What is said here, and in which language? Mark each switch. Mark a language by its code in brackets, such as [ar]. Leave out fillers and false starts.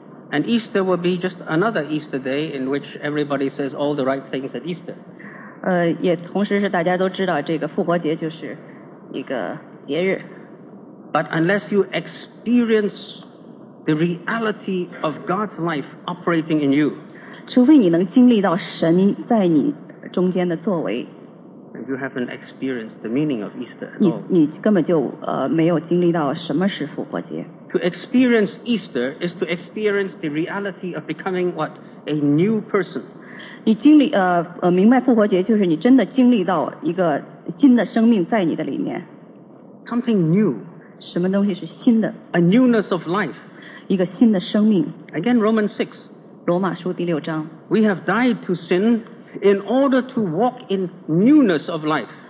[en] And Easter will be just another Easter day in which everybody says all the right things at Easter. [zh] 也同时是大家都知道这个复活节就是一个节日。 [en] But unless you experience the reality of God's life operating in you, [zh] 除非你能经历到神在你中间的作为， [en] and you haven't experienced the meaning of Easter at all. [zh] 你根本就没有经历到什么是复活节。 [en] To experience Easter is to experience the reality of becoming what? A new person. [zh] 你经历明白复活节就是你真的经历到一个新的生命在你的里面。 [en] Something new. [zh] 什么东西是新的？ [en] A newness of life. [zh] 一个新的生命。 [en] Again, Romans 6. [zh] 罗马书第六章。 [en] We have died to sin. In order to walk in newness of life,